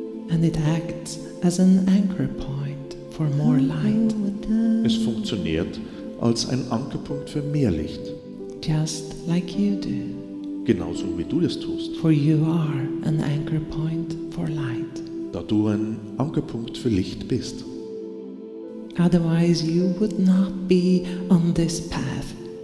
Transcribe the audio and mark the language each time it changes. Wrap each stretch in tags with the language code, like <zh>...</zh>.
<en>And it acts as an anchor point for more light.</en> <de>Es funktioniert als ein Ankerpunkt für mehr Licht.</de> <en>Just like you do.</en> <de>Genauso wie du es tust.</de> <en>For you are an anchor point for light.</en> <de>Da du ein Ankerpunkt für Licht bist.</de> <en>Otherwise you would not be on this path.</en>